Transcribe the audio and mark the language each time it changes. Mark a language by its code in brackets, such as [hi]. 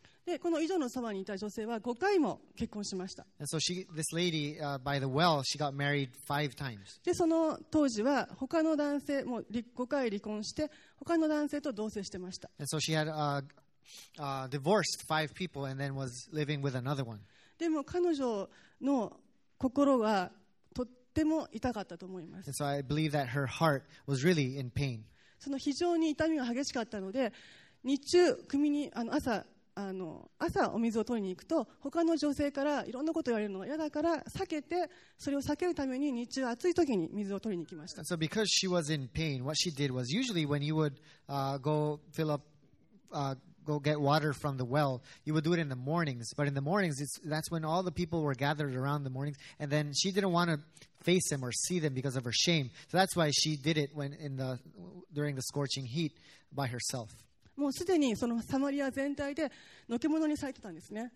[ja] で、この井戸のそばにいた女性は5回も結婚しました。 [en] And so this lady, by the well, she got married five times. [ja] で、その当時は他の男性も5回離婚して、他の男性と同棲してました。 [en] And so she had divorced five people and then was living with another one. [ja] でも彼女の心がとっても痛かったと思います。 [en] And so I believe that her heart was really in pain. [ja] その非常に痛みが激しかったので、日中組に朝お水を取りに行くと、他の女性からいろんなことを言われるのが嫌だから避けて、それを避けるために日中暑い時に水を取りに行きました。 [en] So because she was in pain, what she did was usually when you would go get water from the well, you would do it in the mornings. But in the mornings, that's when all the people were gathered around the mornings. And then she didn't want to face them or see them because of her shame. So that's why she did it during the scorching heat by herself. [ja] もうすでにそのサマリア全体でのけものにされてたんですね。